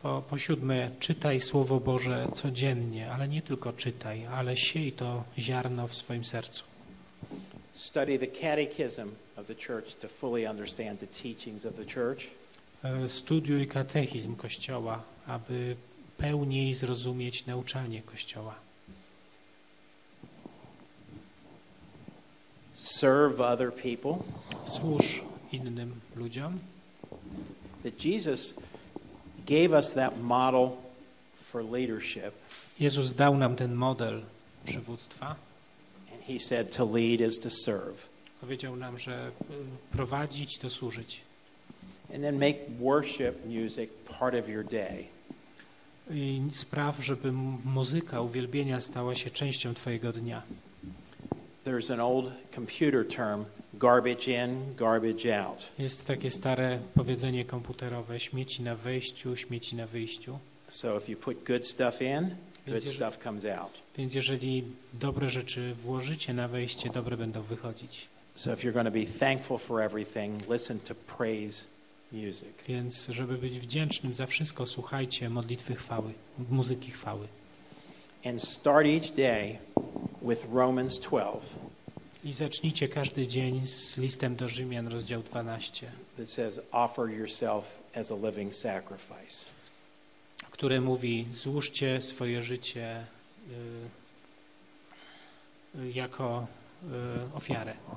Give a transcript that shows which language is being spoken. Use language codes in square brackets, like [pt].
[pl] Po siódme, czytaj Słowo Boże codziennie, ale nie tylko czytaj, ale siej to ziarno w swoim sercu. [en] Study the catechism of the church to fully understand the teachings of the church. [pl] Studiuj katechizm Kościoła, aby pełniej zrozumieć nauczanie Kościoła. [en] Serve other people. [pl] Służ innym ludziom. [en] That Jesus gave us that model for leadership. [pl] Jezus dał nam ten model przywództwa. [en] And he said to lead is to serve. [pl] Powiedział nam, że prowadzić to służyć. [en] And then make worship music part of your day. [pl] I spraw, żeby muzyka uwielbienia stała się częścią twojego dnia. [en] There's an old computer term, garbage in, garbage out. [pl] Jest takie stare powiedzenie komputerowe, śmieci na wejściu, śmieci na wyjściu. [en] So if you put good stuff in, good stuff comes out. [pl] Więc jeżeli dobre rzeczy włożycie na wejście, dobre będą wychodzić. [en] So if you're going to be thankful for everything, listen to praise music. [pl] Więc żeby być wdzięcznym za wszystko, słuchajcie modlitwy chwały, muzyki chwały. [en] And start each day with Romans 12. [pl] I zacznijcie każdy dzień z listem do Rzymian, rozdział 12. [en] That says, offer yourself as a living sacrifice. [pl] Które mówi, złóżcie swoje życie jako ofiarę.